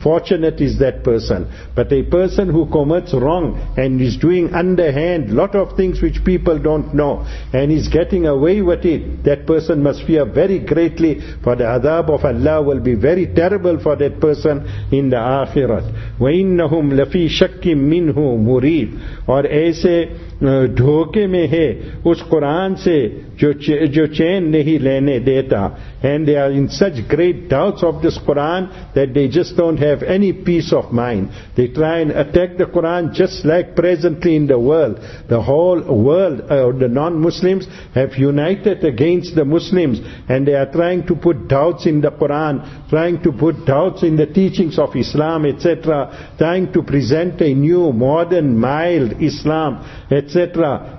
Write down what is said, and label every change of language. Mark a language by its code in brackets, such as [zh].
[en] Fortunate is that person. But a person who commits wrong and is doing underhand lot of things which people don't know and is getting away with it, that person must fear very greatly, for the adab of Allah will be very terrible for that person in the akhirat. [ar] وَإِنَّهُمْ لَفِي شَكِّمْ مِنْهُ مُرِيدٌ, [en] or aise [ur] دھوکے میں ہے اس قرآن سے جو چین نہیں لینے دیتا. [en] And they are in such great doubts of this Quran that they just don't have any peace of mind. They try and attack the Quran just like presently in the world. The whole world, the non-Muslims have united against the Muslims, and they are trying to put doubts in the Quran, trying to put doubts in the teachings of Islam, etc., trying to present a new, modern, mild Islam, etc.